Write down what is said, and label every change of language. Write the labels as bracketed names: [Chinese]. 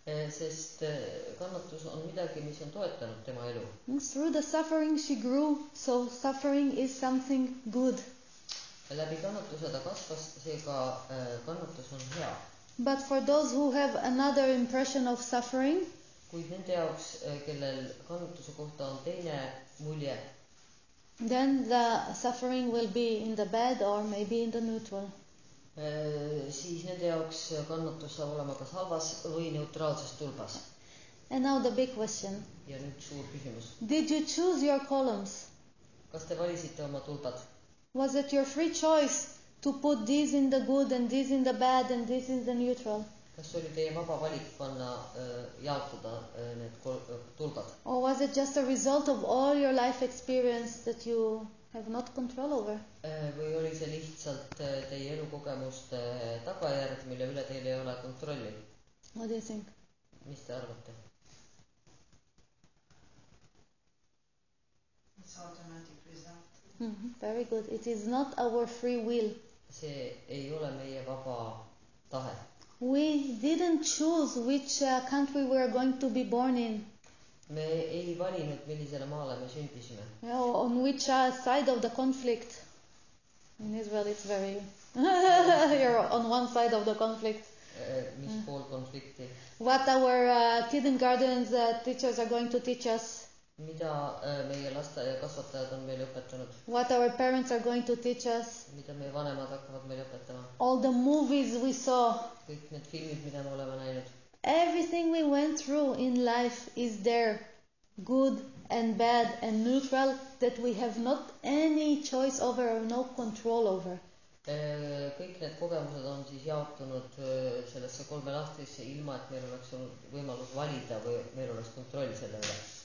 [Estonian] Sest kannatus on midagi, mis on toetanud tema elu. [English] Through the suffering she grew, so suffering is something good. [Estonian] Läbi kannatuse ta kasvas, seega kannatus on hea. [English] But for those who have another impression of suffering, [Estonian] kuid nende jaoks, kellel kannatuse kohta on teine mulje, [English] then the suffering will be in the bad or maybe in the neutral. [Estonian] Siis nende jaoks kannatus saab olema kas halvas või neutraalses tulbas. [English] And now the big question. [Estonian] Ja nüüd suur küsimus. [English] Did you choose your columns? [Estonian] Kas te valisite oma tulbad? [English] Was it your free choice to put these in the good and these in the bad and these in the neutral? [Estonian] Kas oli teie vaba valik panna jaotada need tulbad? [English] Or was it just a result of all your life experience that you have not control over? [Estonian] Või oli see lihtsalt teie elukogemuste tagajärg, mille üle teile ei ole kontrolli? [English] What do you think? [Estonian] Mis te arvate? [English] It's automatic result. Mm-hmm. Very good. It is not our free will. [Estonian] See ei ole meie vaba tahe. [English] We didn't choose which country we are going to be born in. [Estonian] Me ei valinud, millisele maale me sündisime. [English] Yeah, on which side of the conflict. In Israel it's very... You're on one side of the conflict. [Estonian] Mis pool konflikti? [English] What our kindergartens teachers are going to teach us. [Estonian] Mida meie laste ja kasvatajad on meile õpetanud? [English] What our parents are going to teach us. [Estonian] Mida meie vanemad hakkavad meile õpetama? [English] All the movies we saw. [Estonian] Kõik need filmid, mida me oleme näinud. [English] Everything we went through in life is there, good and bad and neutral, that we have not any choice over or no control over. [Estonian] Kõik need kogemused on siis jaotunud sellesse kolme lahtrisse ilma, et meil oleks olnud võimalus valida või meil oleks kontrolli selle üle.